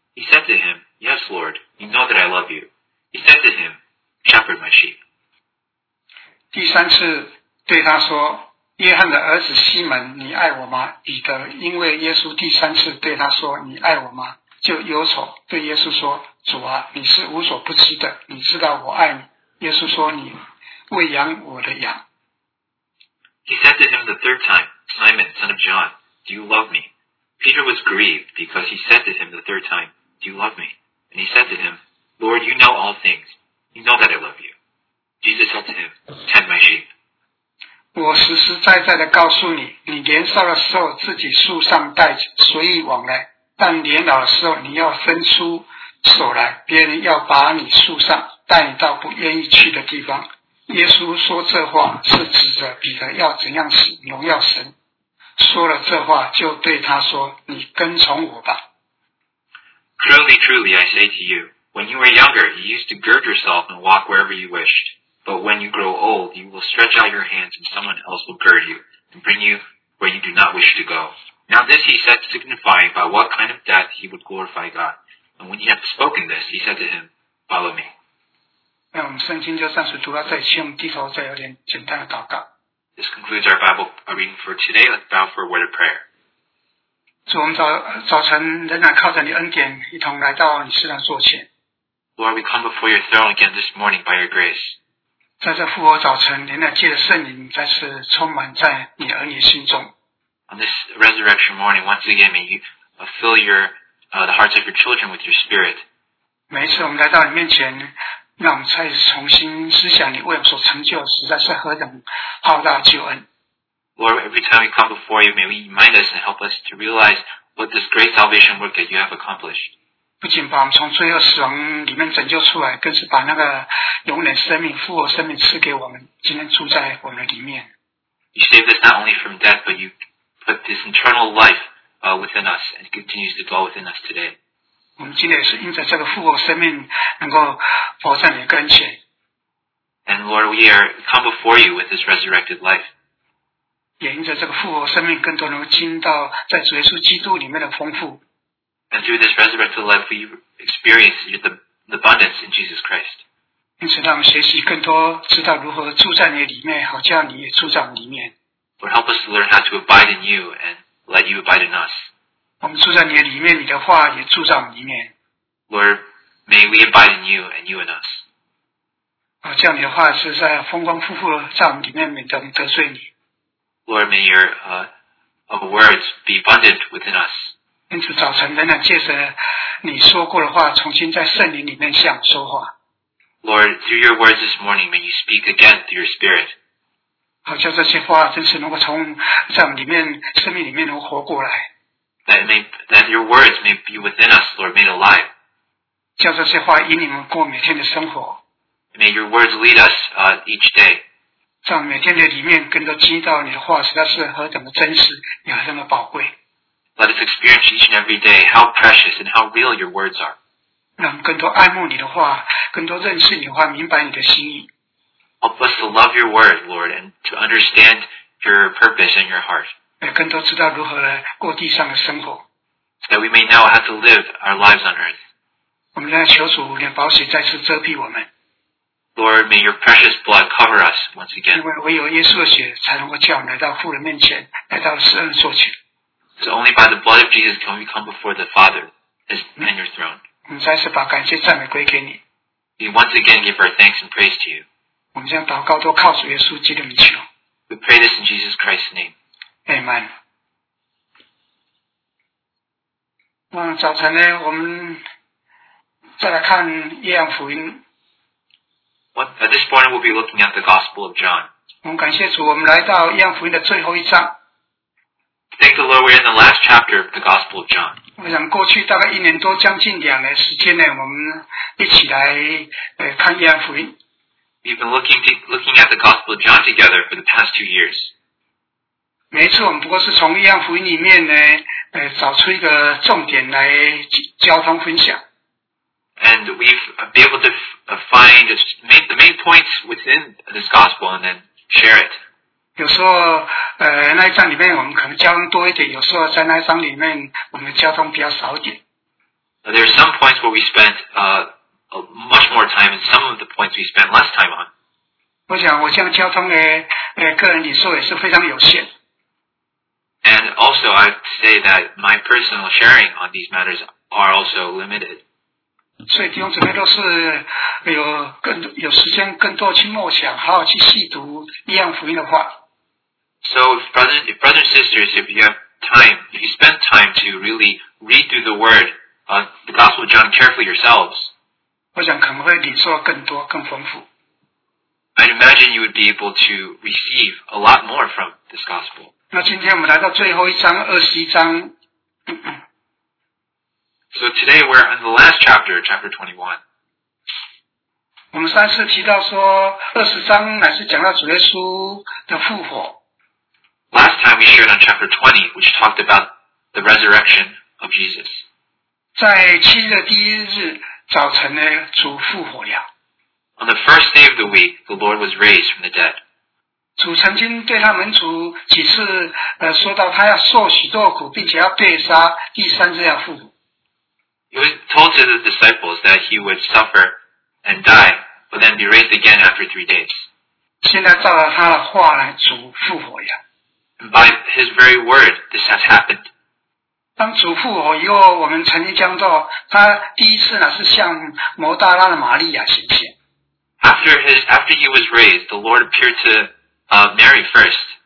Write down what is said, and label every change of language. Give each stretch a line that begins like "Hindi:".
English: He said to him, Yes, Lord, you know that I love you. He said to him, Shepherd my sheep.
Chinese: 第三次对他说，约翰的儿子西门，你爱我吗？彼得因为耶稣第三次对他说，你爱我吗？就忧愁，对耶稣说：“主啊，你是无所不知的，你知道我爱你。” 耶稣说：“你喂养我的羊。”
English: He said to him the third time, "Simon, son of John, do you love me?" Peter was grieved because he said to him the third time, "Do you love me?" And he said to him, "Lord, you know all things. You know that I love you." Jesus said to him, "Tend my sheep."
Chinese: 我实实在在地告诉你，你年少的时候自己束上带随意往来，但年老的时候你要伸出手来，别人要把你束上，带你到不愿意去的地方。耶稣说这话是指着彼得要怎样死，荣耀神。说了这话，就对他说：“你跟从我吧。”
English: Truly, truly, I say to you, when you were younger, you used to gird yourself and walk wherever you wished. But when you grow old, you will stretch out your hands, and someone else will gird you and bring you where you do not wish to go. Now this he said, signifying by what kind of death he would glorify God. And when he had spoken this, he said to him, "Follow me."
Chinese: 那我们圣经就暂时读到这里，请我们低头再有点简单的祷告。
English: This concludes our Bible reading for today. Let's bow for a word of prayer.
Chinese: 主，我们早晨仍然靠着你恩典，一同来到你施恩座前。
English: Lord, we come before your throne again this morning by your grace.
Chinese: 在这复活早晨，您乃借着圣灵再次充满在你儿女心中。
English: On this resurrection morning, once again, may you fill the hearts of your children with your Spirit.
Chinese: 每一次我们来到你面前。让我们再重新思想你为我们所成就实在是何等浩大救恩。
English: Lord, every time we come before you, may we remind us and help us to realize what this great salvation work that you have accomplished.
Chinese: 不仅把我们从罪恶死亡里面拯救出来，更是把那个永远生命、复活生命赐给我们，今天住在我们的里面。
English: You saved us not only from death, but you put this eternal life within us and continues to dwell within us today.
Chinese: 我们今天也是因着这个复活生命能够活在你的跟前。
English: And Lord, we are come before you with this resurrected life.
Chinese: 也因着这个复活生命更多能够经到在主耶稣基督里面的丰富。
English: And through this resurrected life, we experience the abundance in Jesus Christ.
Chinese: 因此让我们学习更多知道如何住在你里面，好像你也住在我们里面。
English: Lord, help us to learn how to abide in you and let you abide in us.
Chinese: 我们住在你的里面，你的话也住在我们里面。
English: Lord, may we abide in you and you in us.
Chinese: 啊，这样你的话是在丰丰富富的在我们里面，免得我们得罪你。
English: Lord, may your words be abundant within us.
Chinese: 因此，早晨仍然借着你说过的话，重新在圣灵里面向说话。
English: Lord, through your words this morning, may you speak again through your Spirit.
Chinese: 好，叫这些话真是能够从在我们里面生命里面能活过来。
English: That your words may be within us, Lord, made alive.
Chinese: 叫这些话引领我们过每天的生活。
English: May your words lead us each day.
Chinese: 在每天的里面，更多经历到你的话实在是何等的真实，也何等的宝贵。
English: Let us experience each and every day how precious and how real your words are.
Chinese: 让我们更多爱慕你的话，更多认识你的话，明白你的心意。
English: Help us to love your word, Lord, and to understand your purpose and your heart.
Chinese: 也更多知道如何过地上的生活。
English: That we may know how to live our lives on earth.
Chinese: 我们来求主连宝血再次遮蔽我们。
English: Lord, may your precious blood cover us once again.
Chinese: 因为唯有耶稣的血才能够叫我们来到父的面前，来到施恩座前。
English: So only by the blood of Jesus can we come before the Father and your throne.
Chinese: 我们再次把感谢赞美归给你。
English: We once again give our thanks and praise to you.
Chinese: 我们将祷告都靠主耶稣基督的求。
English: We pray this in Jesus Christ's name. Amen.
Chinese: 那早晨呢，我们再来看约翰福音。
English: At this point, we'll be looking at the Gospel of John.
Chinese: 我们感谢主，我们来到约翰福音的最后一章。
English: Thank the Lord, we're in the last chapter of the Gospel of John.
Chinese: 我想过去大概一年多，将近两年时间呢，我们一起来看约翰福音。
English: We've been looking at the Gospel of John together for the past 2 years.
Chinese: 每一次我们不过是从约翰福音里面呢，找出一个重点来交通分享。
English: And we've been able to find the main points within this gospel and then share it.
Chinese: 有时候，那一章里面我们可能交通多一点，有时候在那一章里面我们交通比较少一点。
English: There are some points where we spent much more time, and some of the points we spent less time on.
Chinese: 我想，我这样交通的个人领受也是非常有限。
English: And also, I'd say that my personal sharing on these matters are also limited.
Chinese: 所以弟兄姊妹都是有时间更多去默想，好好去细读一样福音的话。
English: So brothers and sisters, if you have time, if you spend time to really read through the word, the Gospel of John carefully yourselves,
Chinese: 我想可能会领受更多更丰富。
English: I'd imagine you would be able to receive a lot more from this Gospel.
Chinese: 那今天我们来到最后一章21章。
English: So today we're in the last chapter, chapter 21.
Chinese: 我们上次提到说20章乃是讲到主耶稣的复活。
English: Last time we shared on chapter 20, which talked about the resurrection of Jesus.
Chinese: 在七日的第一日早晨呢，主复活了。
English: On the first day of the week, the Lord was raised from the dead.
Chinese: 主曾经对他门徒几次说到他要受许多苦，并且要被杀，第三日要复活。
English: He was told to the disciples that he would suffer and die, but then be raised again after 3 days.
Chinese: 现在照着他的话来，主复活了。
English: And by his very word, this has happened.
Chinese: 当主复活以后，我们曾经讲到，他第一次呢是向摩大拉的玛利亚显现。
English: After he was raised, the Lord appeared to Mary first.